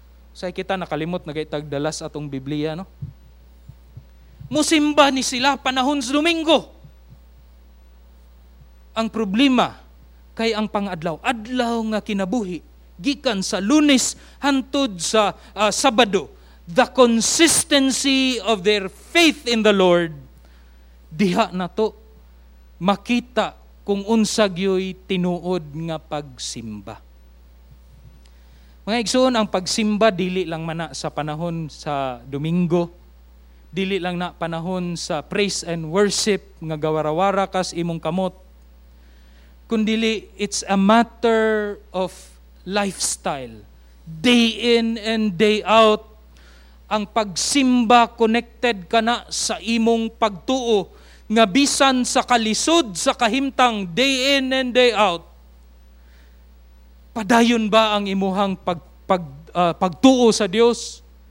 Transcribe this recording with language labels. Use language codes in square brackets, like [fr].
[ceb] Say kita nakalimot nagay tagdalas atong Biblia no. Musimba ni sila panahon sa Domingo. Ang problema kay ang pang-adlaw. Adlaw nga kinabuhi, gikan sa Lunes hantod sa Sabado. [en] The consistency of their faith in the Lord. [ceb] Diha na to, makita kung unsa gyoy tinuod nga pagsimba. Mga igsoon, ang pagsimba dili lang mana sa panahon sa Domingo. Dili lang na panahon sa [en] praise and worship, [ceb] nga gawarawara kas imong kamot. Kundili, [en] it's a matter of lifestyle. Day in and day out, [ceb] ang pagsimba connected ka na sa imong pagtuo, nga bisan sa kalisod, sa kahimtang, day in and day out, padayon ba ang imuhang pagtuo sa Dios?